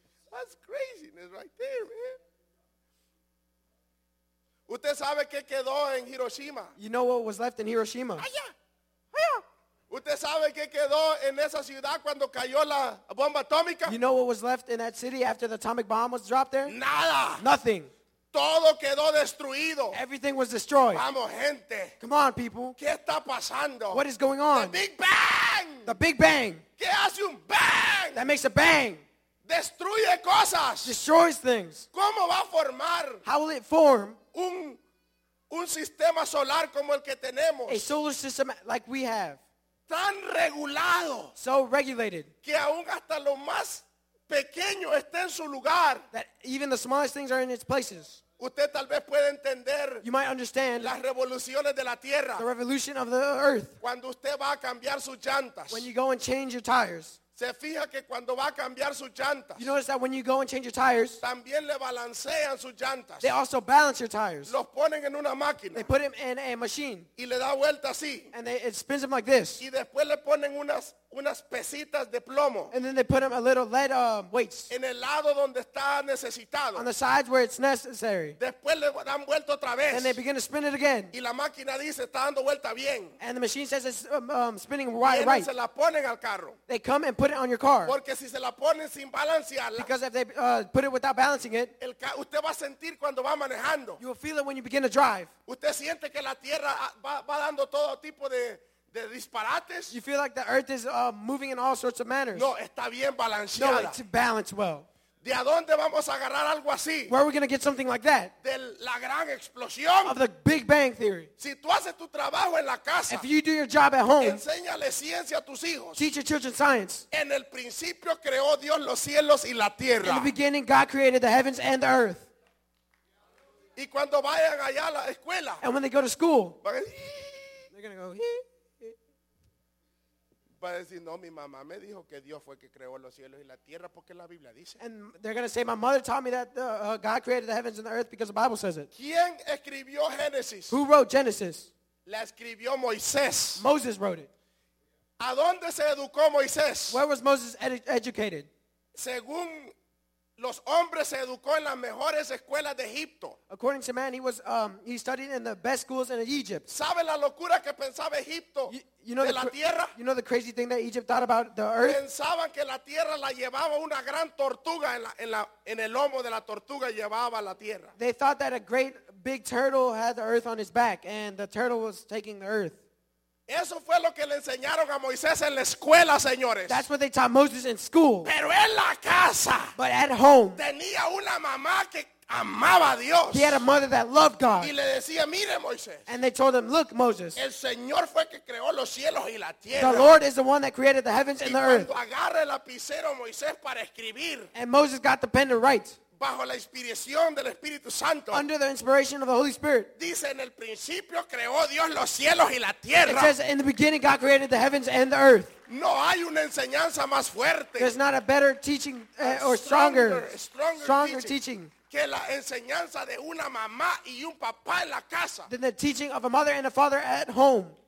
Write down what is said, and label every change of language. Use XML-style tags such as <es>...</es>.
<en>That's craziness right there, man.</en> <es>¿Usted sabe qué quedó en Hiroshima?</es> <en>You know what was left in Hiroshima?</en> <es>Allá. Allá. ¿Usted sabe qué quedó en esa ciudad cuando cayó la bomba atómica?</es> <en>You know what was left in that city after the atomic bomb was dropped there?</en> <es>Nada.</es> <en>Nothing.</en> <es>Todo quedó destruido.</es> <en>Everything was destroyed.</en> <es>Vamos, gente.</es> <en>Come on, people.</en> <es>¿Qué está pasando?</es> <en>What is going on? The Big Bang. The Big Bang.</en> <es>¿Qué hace un bang?</es> <en>That makes a bang.</en> <es>Destruye cosas.</es> <en>Destroys things.</en> <es>¿Cómo va a formar?</es> <en>How will it form?</en> <es>Un sistema solar como el que tenemos.</es> <en>A solar system like we have.</en> <es>Tan regulado.</es> <en>So regulated.</en> <es>Que aún hasta lo más pequeño esté en su lugar.</es> <en>That even the smallest things are in its places.</en> <es>Usted tal vez puede entender.</es> <en>You might understand.</en> <es>Las revoluciones de la tierra.</es> <en>The revolution of the earth.</en> <es>Cuando usted va a cambiar sus llantas.</es> <en>When you go and change your tires.</en> <es>Se fija que cuando va a cambiar sus llantas.</es> <en>You notice that when you go and change your tires.</en> <es>También le balancean sus llantas.</es> <en>They also balance your tires.</en> <es>Los ponen en una máquina.</es> <en>They put them in a machine.</en> <es>Y le da vuelta así.</es> <en>And it spins them like this.</en> <es>Y después le ponen unas pesitas de plomo.</es> <en>And then they put them a little lead weights.</en> <es>En el lado donde está necesitado.</es> <en>On the sides where it's necessary.</en> <es>Después le dan vuelta otra vez.</es> <en>And they begin to spin it again.</en> <es>Y la máquina dice está dando vuelta bien.</es> <en>And the machine says it's spinning right.</en> <es>Se la ponen al carro.</es> <en>They come and put it on your car.</en> <es>Porque si se la ponen sin balancearla.</es> <en>Because if they put it without balancing it.</en> <es>Usted va a sentir cuando va manejando.</es> <en>You will feel it when you begin to drive.</en> <es>Usted siente que la tierra va dando todo tipo de.</es> <en>You feel like the earth is moving in all sorts of manners.</en> <es>No, está bien balanceada.</es> <en>No, it's balanced well.</en> <es>¿De a dónde vamos a agarrar algo así?</es> <en>Where are we going to get something like that?</en> <es>De la gran explosión.</es> <en>Of the Big Bang Theory.</en> <es>Si tú haces tu trabajo en la casa.</es> <en>If you do your job at home.</en> <es>Enséñale ciencia a tus hijos.</es> <en>Teach your children science.</en> <es>En el principio creó Dios los cielos y la tierra.</es> <en>In the beginning, God created the heavens and the earth.</en> <es>Y cuando vayan allá a la escuela.</es> <en>And when they go to school. They're going to go,</en> <es>va a decir, no, mi mamá me dijo que Dios fue que creó los cielos y la tierra porque la Biblia dice.</es> <en>And they're going to say, my mother taught me that God created the heavens and the earth because the Bible says it.</en> <es>¿Quién escribió Génesis?</es> <en>Who wrote Genesis?</en> <es>La escribió Moisés.</es> <en>Moses wrote it.</en> <es>¿A dónde se educó Moisés?</es> <en>Where was Moses educated?</en> <es>Según los hombres se educó en las mejores escuelas de Egipto.</es> <en>According to man, he studied in the best schools in Egypt.</en> <es>¿Sabe la locura que pensaba Egipto de la tierra?</es> <en>You know the crazy thing that Egypt thought about the earth?</en> <es>Pensaban que la tierra la llevaba una gran tortuga en el lomo de la tortuga llevaba la tierra.</es> <en>They thought that a great big turtle had the earth on his back and the turtle was taking the earth.</en> <es>Eso fue lo que le enseñaron a Moisés en la escuela, señores.</es> <en>That's what they taught Moses in school.</en> <es>Pero en la casa.</es> <en>But at home.</en> <es>Tenía una mamá que amaba a Dios.</es> <en>He had a mother that loved God.</en> <es>Y le decía, mire, Moisés.</es> <en>And they told him, look, Moses.</en> <es>El Señor fue que creó los cielos y la tierra.</es> <en>The Lord is the one that created the heavens and the earth.</en> <es>Y cuando agarre el lapicero, Moisés, para escribir.</es> <en>And Moses got the pen to write.</en> <es>Bajo la inspiración del Espíritu Santo.</es> <en>Under the inspiration of the Holy Spirit.</en> <es>Dice, en el principio creó Dios los cielos y la tierra.</es> <en>It says, in the beginning God created the heavens and the earth.</en> <es>No hay una enseñanza más fuerte.</es> <en>There's not a better teaching stronger teaching.</en> <es>Que la enseñanza de una mamá y un papá en la casa.</es> <en>Than the teaching of a mother and a father at home.</en>